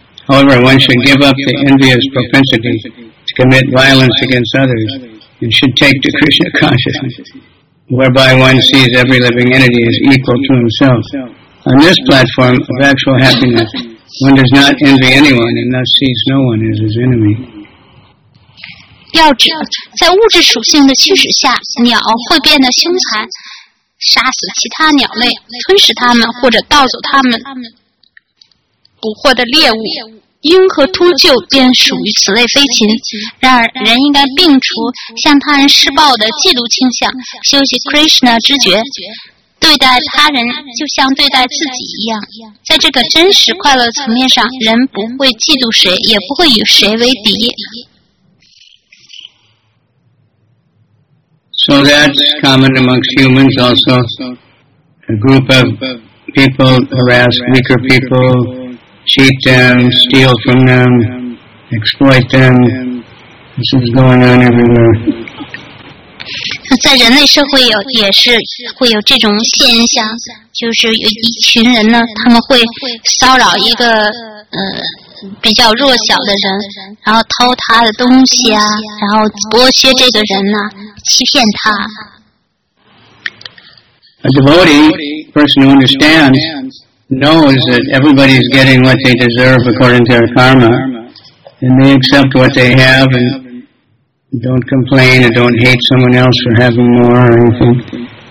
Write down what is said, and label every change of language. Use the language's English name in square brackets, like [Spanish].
[English] However, one should give up the envious propensity to commit violence against others and should take to Krishna consciousness, whereby one sees every living entity as equal to himself. On this platform of actual happiness, one does not envy anyone and thus sees no one as his enemy. [Chinese] 要知在物质属性的驱使下，鸟会变得凶残，杀死其他鸟类，吞食它们或者盗走它们捕获的猎物。鹰和秃鹫便属于此类飞禽。然而人应该摒除向他人施暴的嫉妒倾向，修习 Krishna 知觉，对待他人就像对待自己一样。在这个真实快乐层面上，人不会嫉妒谁，也不会与谁为敌。 [English] So that's common amongst humans also. A group of people harass weaker people, cheat them, steal from them, exploit them. This is going on everywhere. [Chinese] 在人类社会有也是会有这种现象，就是有一群人呢，他们会骚扰一个比较弱小的人，然后偷他的东西啊，然后剥削这个人呢、啊，欺骗他。 [English] A devotee, person who understands, knows that everybody is getting what they deserve according to their karma, and they accept what they have and don't complain and don't hate someone else for having more or anything.